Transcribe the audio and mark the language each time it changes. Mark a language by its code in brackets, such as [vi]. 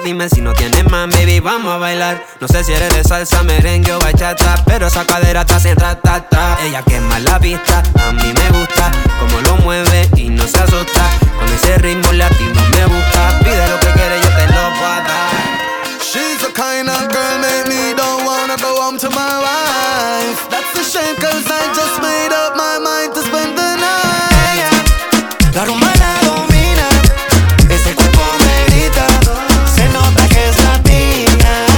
[es] Dime si no tienes más, baby, vamos a bailar. No sé si eres de salsa, merengue o bachata, pero esa cadera te hace tra-ta-ta. Ella quema la pista, a mí me gusta cómo lo mueve y no se asusta. Con ese ritmo latino me busca. Pide lo que quieres, yo te lo voy a dar. [en] She's the kind of girl, make me don't wanna go home to my wife. That's a shame, cause I just made up my mind to spend the night. [es] La rumba la domina, ese cuerpo me grita, se nota que es latina.